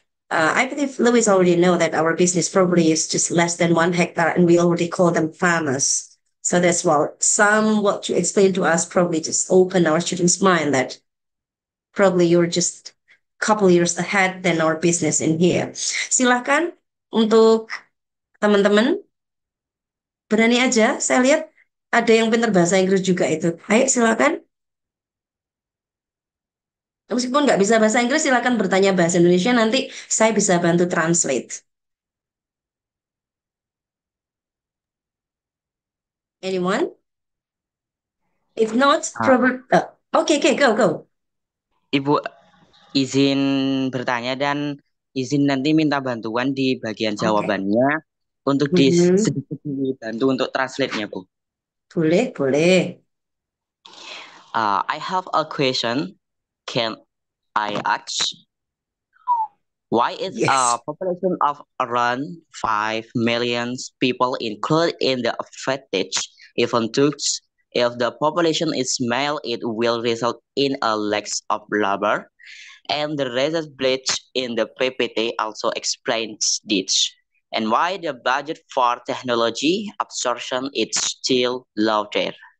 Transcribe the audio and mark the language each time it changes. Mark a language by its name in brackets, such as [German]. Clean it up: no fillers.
[English] I believe Louis already know that our business probably is just less than 1 hectare, and we already call them farmers. So that's why some what you explained to us probably just open our students' mind that probably you're just a couple years ahead than our business in here. [Indonesian] Silakan untuk teman-teman, berani aja, saya lihat ada yang pintar bahasa Inggris juga itu. Ayo silakan. Meskipun nggak bisa bahasa Inggris, silakan bertanya bahasa Indonesia, nanti saya bisa bantu translate. [English] Anyone? If not, go. [Indonesian] Ibu, izin bertanya dan izin nanti minta bantuan di bagian jawabannya untuk sedikit dibantu untuk translate-nya, Bu. Boleh. [English] I have a question. Can I ask why is a population of around 5 million people included in the affected even though if the population is male, it will result in a lack of labor, and the research bleach in the PPT also explains this, and why the budget for technology absorption is still low there.